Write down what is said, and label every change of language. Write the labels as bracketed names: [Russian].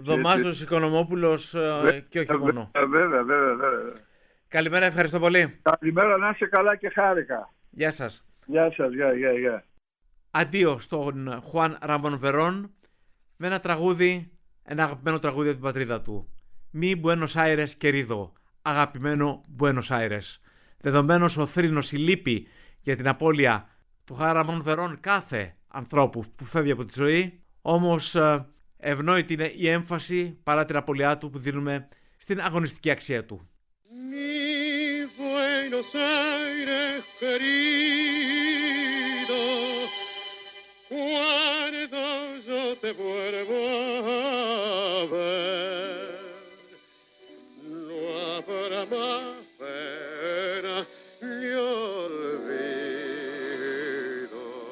[Greek] Δωμάζος, Οικονομόπουλος και όχι μόνο. Βέβαια. Καλημέρα, ευχαριστώ πολύ. Καλημέρα, να είσαι καλά και χάρηκα. Γεια σας. Γεια σας, γεια. Αντίο στον Χουάν Ράμον Βερόν. Με ένα τραγούδι, ένα αγαπημένο τραγούδι από την πατρίδα του. [Spanish] Μη Buenos Aires querido, [Greek] αγαπημένο [Spanish] Buenos Aires. [Greek] Δεδομένος ο θρήνος, η λύπη για την απώλεια του Χουάν Ράμον Βερόν κάθε ανθρώπου που φεύγει από τη ζωή, όμως ευνόητη είναι η έμφαση παρά την απώλειά του που δίνουμε στην αγωνιστική αξία του. [Spanish] Μη Buenos Aires querido, cuando yo te vuelvo a ver, no habrá más pena ni olvido.